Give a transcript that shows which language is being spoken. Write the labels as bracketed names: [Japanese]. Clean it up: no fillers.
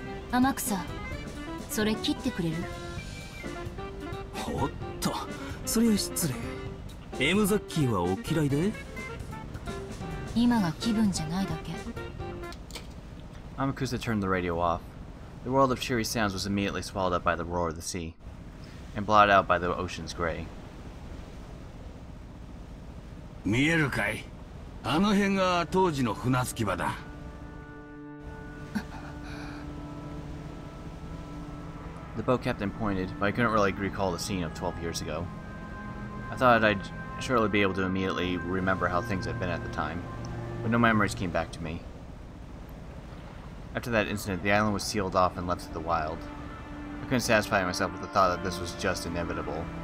[Japanese] 天草、それ切ってくれる？おっと、それは失礼。 M ザッキーはお嫌いで？今が気分じゃないだけ。 [English] Amakusa turned the radio off. The world of cheery sounds was immediately swallowed up by the roar of the sea, and blotted out by the ocean's gray. [Japanese] 見えるかい？あの辺が当時の船着き場だ。 [English] The boat captain pointed, but I couldn't really recall the scene of 12 years ago. I thought I'd surely be able to immediately remember how things had been at the time, but no memories came back to me. After that incident, the island was sealed off and left to the wild. I couldn't satisfy myself with the thought that this was just inevitable.